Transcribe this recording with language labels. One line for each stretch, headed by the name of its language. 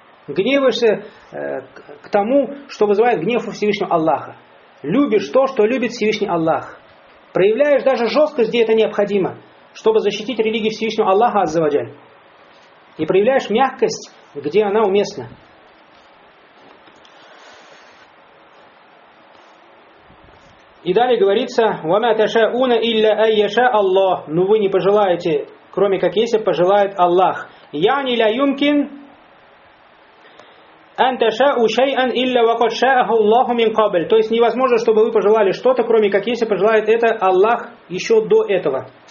Russian: Гневаешься к тому, что вызывает гнев у Всевышнего Аллаха. Любишь то, что любит Всевышний Аллах. Проявляешь даже жесткость, где это необходимо, чтобы защитить религию Всевышнего Аллаха Аззаваджаль. И проявляешь мягкость, где она уместна.
Arabic: И далее говорится, وَمَا تَشَاءُونَ إِلَّا أَنْ يَشَاءَ اللَّهُ.
Russian: Ну вы не пожелаете, кроме как если пожелает Аллах.
Arabic: يَعْنِ لَا يُمْكِنْ أَنْ تَشَاءُ شَيْئًا إِلَّا وَقَدْ شَاءَهُ اللَّهُ مِنْ قَبْلِ.
Russian: То есть невозможно, чтобы вы пожелали что-то, кроме как если пожелает это Аллах еще до этого.